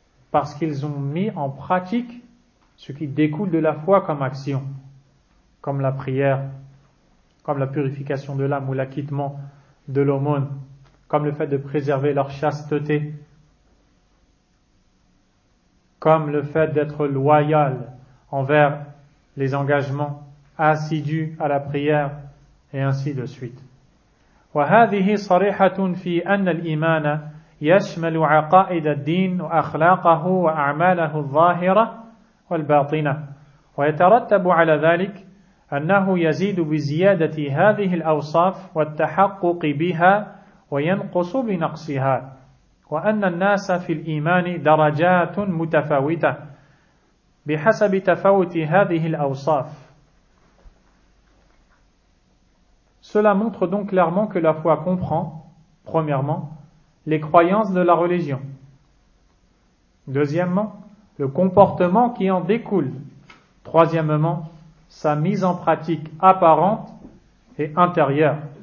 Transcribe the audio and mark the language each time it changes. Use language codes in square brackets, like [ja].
[fr] Parce qu'ils ont mis en pratique ce qui découle de la foi comme action, comme la prière, comme la purification de l'âme ou l'acquittement de l'aumône, comme le fait de préserver leur chasteté, comme le fait d'être loyal envers les engagements assidu à la prière, et ainsi de suite. [ar] وهذه صريحة في أن الإيمان يشمل عقائد الدين وأخلاقه وأعماله الظاهرة والباطنة ويترتب على ذلك أنه يزيد بزيادة هذه الأوصاف والتحقق بها وينقص بنقصها وأن الناس في الإيمان درجات متفاوتة بحسب تفاوت هذه الأوصاف. [fr] Cela montre donc clairement que la foi comprend, premièrement, les croyances de la religion. Deuxièmement, le comportement qui en découle. Troisièmement, sa mise en pratique apparente et intérieure.